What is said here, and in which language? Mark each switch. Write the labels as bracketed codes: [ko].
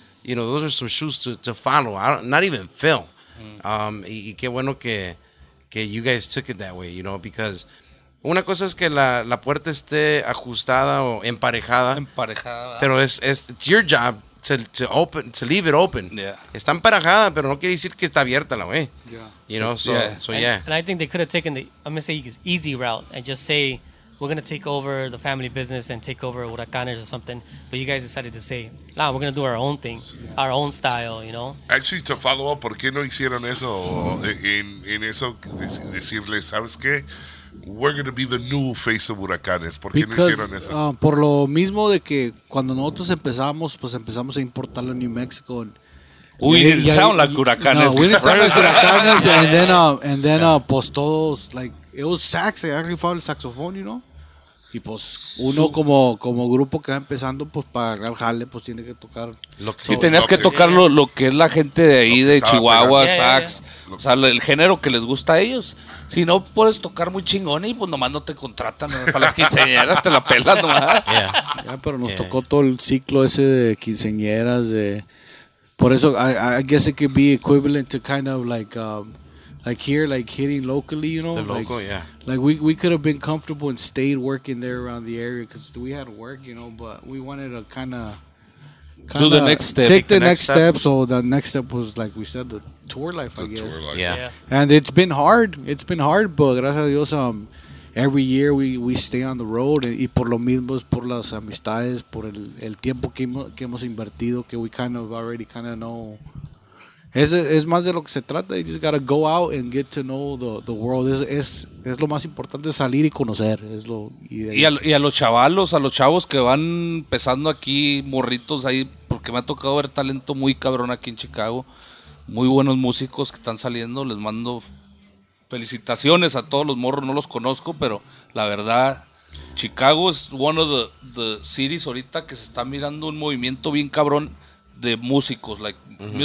[en] You know, those are some shoes to follow. Not even fill. [es] Y qué bueno que [en] you guys took it that way, you know, because [es] una cosa es que la puerta esté ajustada o emparejada. Emparejada, ¿verdad? Pero [en] it's your job to open, to leave it open. Yeah. [es] Está emparejada, pero no quiere decir que está abierta la wey. [en] Yeah. You know, so yeah. And I think they could have taken easy route and just say, we're going to take over the family business and take over Huracanes or something. But you guys decided to say, nah, we're going to do our own thing, our own style, you know? Actually, to follow up, [es] ¿por qué no hicieron eso? En eso, decirle, ¿sabes qué? [en] We're going to be the new face of Huracanes. [es] ¿Por qué [en] because, [es] no hicieron eso? Por lo mismo de que cuando nosotros empezamos, pues empezamos a importarlo a New Mexico. [en] We didn't sound like Huracanes. and then, [es] pues todos, [en] like, it was sax. I actually found the saxophone, you know? [es] Y pues uno como grupo que va empezando, pues para agarrar jale, pues tiene que tocar. Lo que es la gente de ahí, de Chihuahua, sax, o sea, el género que les gusta a ellos. Si no, puedes tocar muy chingón y pues nomás no te contratan, ¿no? Para las quinceañeras te la pelas nomás. [en] Yeah. [es] Ya, pero nos tocó todo el ciclo ese de quinceañeras, de... Por eso, [en] I guess it could be equivalent to kind of like... Like here, like hitting locally, you know? The local, like, yeah. Like we could have been comfortable and stayed working there around the area because we had work, you know, but we wanted to kind of... Do the next step. Take the next step. So the next step was, like we said, the tour life, I guess. Yeah. And it's been hard. It's been hard, but [es] gracias a Dios, [en] every year we stay on the road, [es] y por lo mismo es por las amistades, por el tiempo que hemos invertido, que [en] we kind of already kind of know. [es] Es más de lo que se trata. [en] You just gotta go out and get to know the world. [es] Es lo más importante, salir y conocer. Es lo ideal. Y a los chavos que van empezando aquí, morritos ahí, porque me ha tocado ver talento muy cabrón aquí en Chicago. Muy buenos músicos que están saliendo. Les mando felicitaciones a todos los morros. No los conozco, pero la verdad, Chicago es [en] one of the cities [es] ahorita que se está mirando un movimiento bien cabrón de músicos, like, uh-huh.